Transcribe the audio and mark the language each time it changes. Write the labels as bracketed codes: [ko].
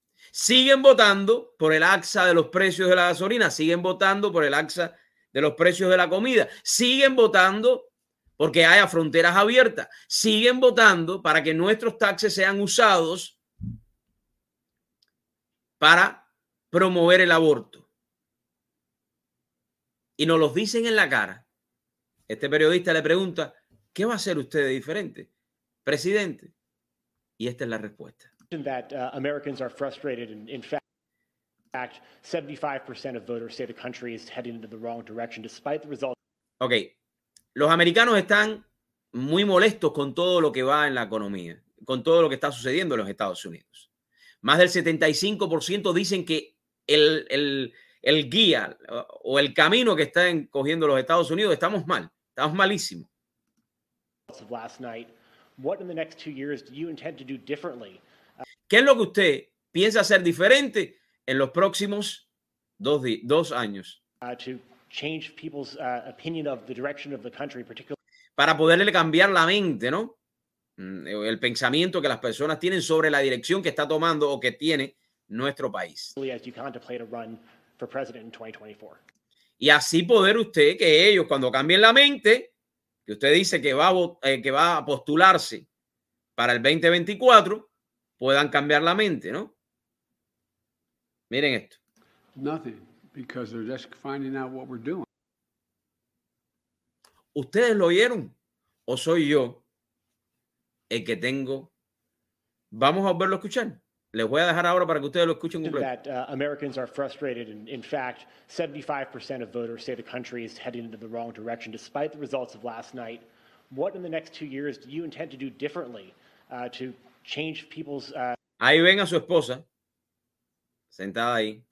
[es] Siguen votando por el alza de los precios de la gasolina, siguen votando por el alza de los precios de la comida, siguen votando porque haya fronteras abiertas, siguen votando para que nuestros taxes sean usados para promover el aborto. Y nos los dicen en la cara. Este periodista le pregunta, ¿qué va a hacer usted de diferente, presidente? Y esta es la respuesta. [en] Americans are frustrated and in fact 75% of voters say the country is heading in the wrong direction despite the results. Okay. [es] Los americanos están muy molestos con todo lo que va en la economía, con todo lo que está sucediendo en los Estados Unidos. Más del 75% dicen que el guía o el camino que están cogiendo los Estados Unidos estamos mal, estamos malísimo. [en] Last night, what in the next 2 years do you intend to do differently? [es] ¿Qué es lo que usted piensa hacer diferente en los próximos 2 años? [en] Change people's opinion of the direction of the country, particularly. [es] Para poderle cambiar la mente, ¿no? El pensamiento que las personas tienen sobre la dirección que está tomando o que tiene nuestro país. [en] As you contemplate a run for president in 2024. [es] Y así poder usted que ellos cuando cambien la mente, que usted dice que va a postularse para el 2024, puedan cambiar la mente, ¿no? Miren esto. [en] Nothing. Because they're just finding out what we're doing. [es] ¿Ustedes lo oyeron? ¿O soy yo el que tengo? Vamos a volverlo a escuchar. Les voy a dejar ahora para que ustedes lo escuchen completo. [en] That Americans are frustrated, and in fact, 75% of voters say the country is heading into the wrong direction despite the results of last night. What in the next 2 years do you intend to do differently to change people's [es] Ahí ven a su esposa sentada ahí.